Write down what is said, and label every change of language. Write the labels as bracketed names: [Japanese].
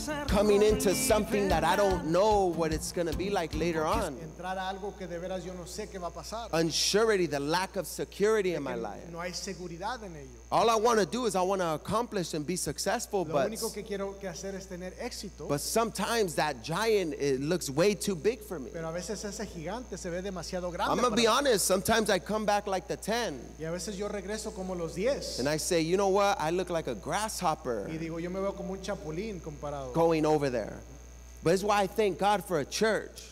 [English] Coming into something that I don't know what it's going to be like later on. Unsurety, the lack of security in my life. All I want to do is I want to accomplish and be successful, but sometimes that giant, it looks way too big for me. [Spanish] Pero a veces ese gigante se ve demasiado grande. [English] I'm going to be honest, sometimes I come back like the 10. [Spanish] Y a veces yo regreso como los 10. [English] And I say, you know what, I look like a grasshopper. [Spanish] Y digo, yo me veo como un chapulín comparado. [English] Going over there. But that's why I thank God for a church.